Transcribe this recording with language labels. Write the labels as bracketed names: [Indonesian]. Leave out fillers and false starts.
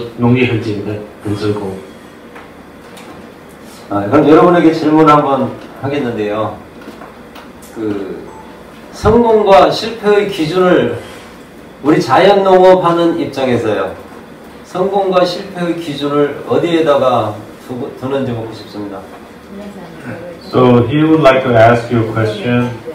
[Chinese] 那很多农家就说，你也没有赚多少，为什么说农业这么简单？一般人就是说，种了作物，然后你卖得很好，这个叫成功。可是没有啊，你并不是这样，你做了很辛苦的工作，你也没赚多少钱，为什么你说农业很简单，很成功？ [Korean] 그럼 여러분에게 질문을 한번 하겠는데요. 성공과 실패의 기준을 우리 자연농업하는 입장에서요. 성공과 실패의 기준을 어디에다가 두는지 묻고 싶습니다. [English] So he would like to ask you a question.